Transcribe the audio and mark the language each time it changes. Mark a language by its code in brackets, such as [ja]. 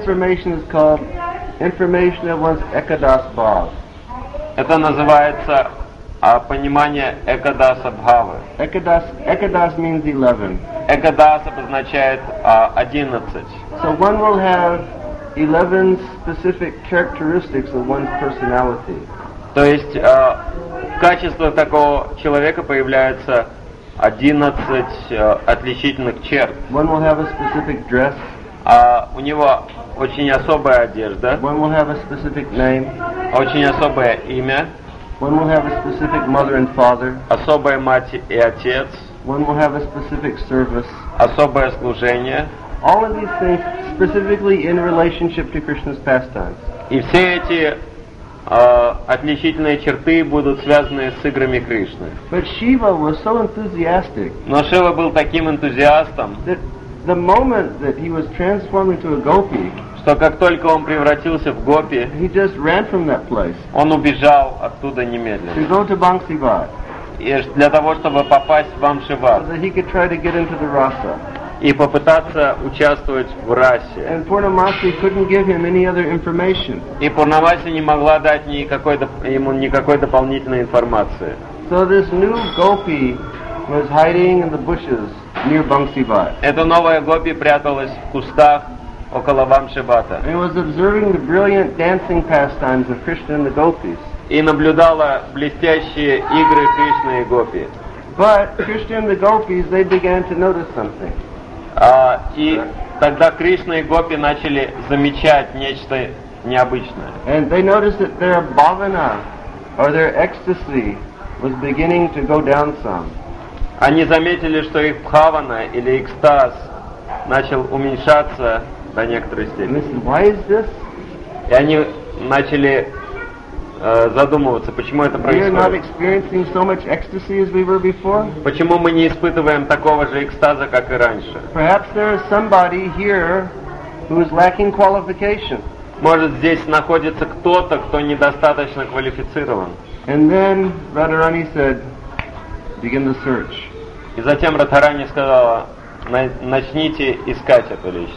[en] That information is called information of one's Ekadas Bhav. [ru] Это называется понимание Экадаса Бхавы. [en] Экадас means 11. [ru] Экадас обозначает 11. [en] So one will have 11 specific characteristics of one's personality. [ru] То есть в качествах такого человека появляется 11 отличительных черт. [en] One will have a specific dress. [ru] У него очень особая одежда. [en] One will have a specific name. [ru] Очень особое имя. [en] One will have a specific mother and father. [ru] Особая мать и отец. [en] One will have a specific service. [ru] Особое служение. [en] All of these things specifically in relationship to Krishna's pastimes. [ru] И все эти отличительные черты будут связаны с играми Кришны. [en] But Shiva was so enthusiastic. [ru] Но Шива был таким энтузиастом. [en] The moment that he was transformed into a gopi. [ru] что как только он превратился в гопи, [en] he just ran from that place. [ru] Он убежал оттуда немедленно. [en] To go to Bangsivar. [ru] И для того, чтобы попасть в Бамшивар. [en] So that he could try to get into the Rasa. [ru] И попытаться участвовать в расе. [en] And Purnamasi couldn't give him any other information. [ru] И Пурнамаси не могла дать ему никакой дополнительной информации. [en] So this new gopi was hiding in the bushes near Bangsivar. [ru] Эта новая гопи пряталась в кустах около Бамшивата. [en] And was observing the brilliant dancing pastimes of Krishna and the gopis. [ru] И наблюдала блестящие игры Кришны и гопи. [en] But Krishna and the gopis, they began to notice something. [ru] И тогда Кришна и гопи начали замечать нечто необычное. [en] And they noticed that their bhavana, or their ecstasy, was beginning to go down some. [ru] Они заметили, что их бхавана или экстаз начал уменьшаться до некоторой степени. [en] And they said, "Why is this?" [ru] И они начали задумываться, почему это происходит. [en] We are not experiencing so much ecstasy as we were before. [ru] Почему мы не испытываем такого же экстаза, как и раньше? [en] Perhaps there is somebody here who is lacking qualification. [ru] Может, здесь находится кто-то, кто недостаточно квалифицирован. [en] And then Radharani said, "Begin the search." [ru] И затем Радхарани сказала: начните искать эту личность.